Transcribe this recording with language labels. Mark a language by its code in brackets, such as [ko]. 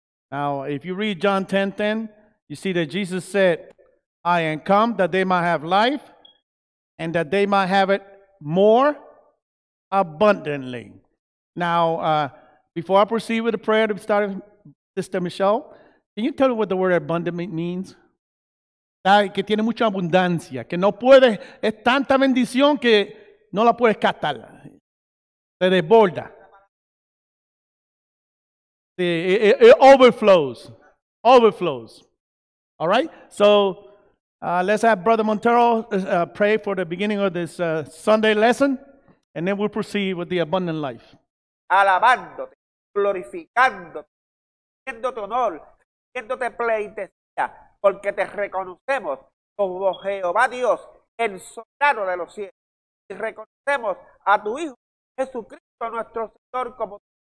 [en] Now, if you read John 10, 10, you see that Jesus said, "I am come that they might have life, and that they might have it more abundantly." Now, before I proceed with the prayer to start, Sister Michelle, can you tell me what the word abundant means? [es] Que tiene mucha abundancia, que no puede, es tanta bendición que no la puedes captar. Se desborda. [en] It overflows. Overflows. All right? So, let's have Brother Montero pray for the beginning of this Sunday lesson, and then we'll proceed with the abundant life. [es] Alabándote, glorificándote, haciendo tu honor, haciéndote pleitesía, porque te reconocemos como Jehová Dios, el soberano de los cielos, y reconocemos a tu Hijo Jesucristo, nuestro Señor, como